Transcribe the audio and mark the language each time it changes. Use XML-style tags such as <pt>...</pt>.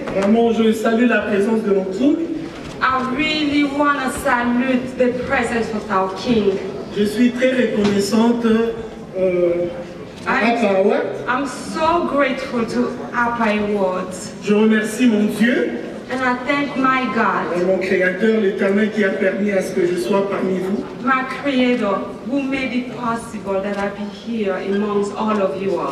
<fr>Vraiment, je salue la présence de mon King.</fr> <en>I really want to salute the presence of our King.</en> <fr>Je suis très reconnaissante</fr> <en>I'm so grateful to APA Awards.</en> <fr>Je remercie mon Dieu.</fr> <en>And I thank my God.</en> <fr>Et mon Créateur, l'Éternel qui a permis à ce que je sois parmi vous.</fr> <en>My Creator, who made it possible that I be here amongst all of you all.</en>